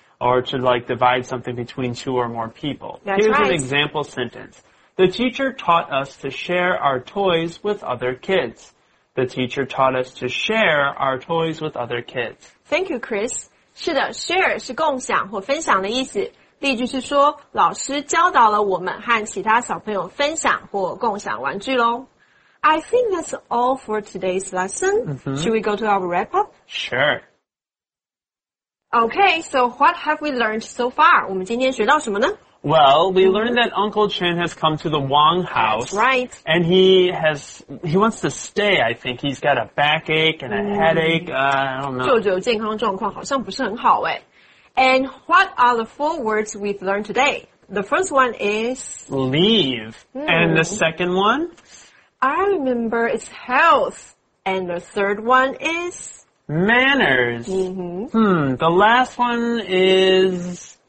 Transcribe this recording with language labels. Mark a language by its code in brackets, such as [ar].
[en] Or to, like, divide something between two or more people. That's Here's right. Here's an example sentence. The teacher taught us to share our toys with other kids. The teacher taught us to share our toys with other kids. Thank you, Chris. [zh] 是的 share 是共享或分享的意思。例句是说老师教导了我们和其他小朋友分享或共享玩具咯。 [en] I think that's all for today's lesson.、 Mm-hmm. Should we go to our wrap-up? Sure. Okay, so what have we learned so far? [zh] 我们今天学到什么呢? [en] Well, we learned that Uncle Chen has come to the Wong house. That's right. And he wants to stay, I think. He's got a backache and a headache. I don't know. [zh] 舅舅健康状况好像不是很好耶。 [en] And what are the four words we've learned today? The first one is... Leave. And the second one? I remember it's health. And the third one is... Manners. Mm-hmm. Hmm, the last one is...